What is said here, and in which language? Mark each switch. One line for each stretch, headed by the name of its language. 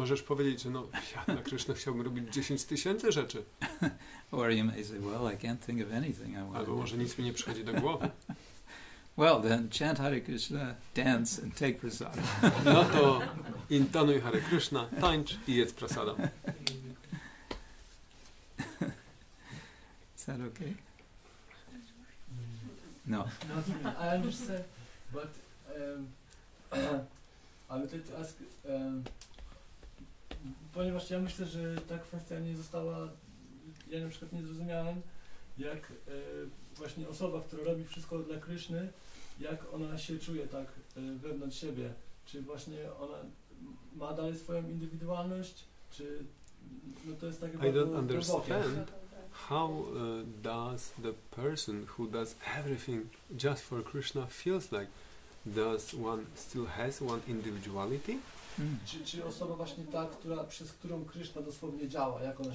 Polish: Możesz powiedzieć, że no, ja dla Kryszny chciałbym robić 10,000 rzeczy.
English: Or you may say, well, I can't think of anything I want to do.
Polish: Albo może nic mi nie przychodzi do głowy.
English: Well, then chant Hare Krishna, dance and take prasadam.
Polish: No to intonuj Hare Krishna, tańcz i jedz prasadam.
English: Is that okay? No. Not really. I understand, but I would like to ask,
Polish: ponieważ ja myślę, że ta kwestia nie została, ja na przykład nie zrozumiałem, jak właśnie osoba, która robi wszystko dla Kryszny, jak ona się czuje tak wewnątrz siebie. Czy właśnie ona ma dalej swoją indywidualność, czy no to jest takie bardzo głębokie.
English: How does the person who does everything just for Krishna feels like? Does one still has one individuality?
Polish: Czy osoba właśnie ta, która przez którą Krishna dosłownie działa, jak ona